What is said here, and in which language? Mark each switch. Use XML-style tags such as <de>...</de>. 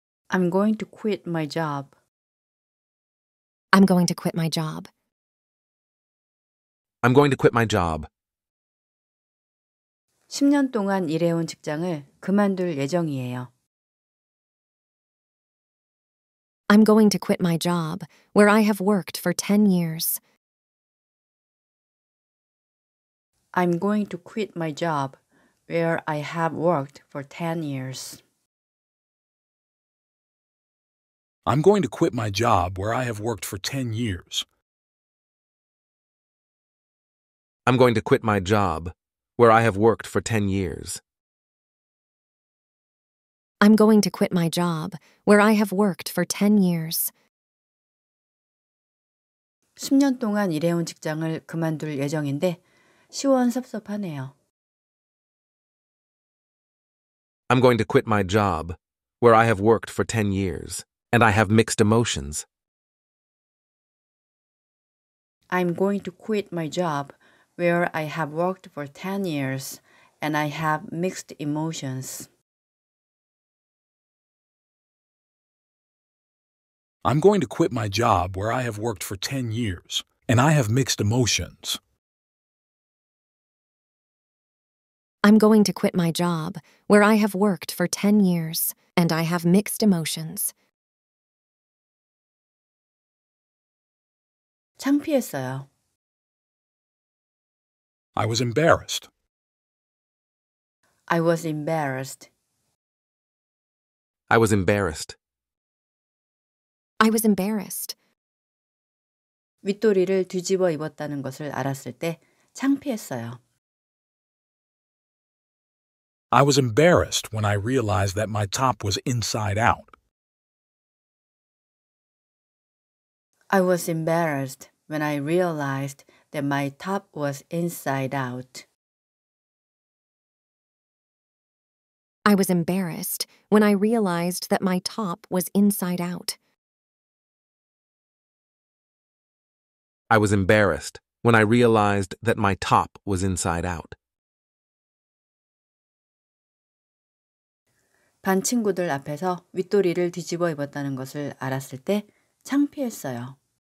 <en>I'm going to quit my job. I'm going to quit my job. I'm going to quit my job.</en> <ko>10년 동안 일해온 직장을 그만둘 예정이에요.</ko> <en>I'm going to quit my job where I have worked for 10 years. I'm going to quit my job where I have worked for 10 years. I'm going to quit my job where I have worked for 10 years. I'm going to quit my job where I have worked for 10 years. I'm going to quit my job where I have worked for 10 years.</en> <ko>10년 동안 일해온 직장을 그만둘 예정인데 시원섭섭하네요.</ko> <en>I'm going to quit my job where I have worked for 10 years and I have mixed emotions. I'm going to quit my job where I have worked for 10 years and I have mixed emotions. I'm going to quit my job where I have worked for 10 years, and I have mixed emotions. I'm going to quit my job where I have worked for 10 years, and I have mixed emotions.</en> <ko>창피했어요.</ko> <en>I was embarrassed. I was embarrassed. I was embarrassed. I was embarrassed.</en> <ko>윗도리를 뒤집어 입었다는 것을 알았을 때 창피했어요.</ko> <en>I was embarrassed when I realized that my top was inside out. I was embarrassed when I realized that my top was inside out. I was embarrassed when I realized that my top was inside out. I was embarrassed when I realized that my top was inside out.</en> <ko>반 친구들 앞에서 윗도리를 뒤집어 입었다는 것을 알았을 때 창피했어요.</ko>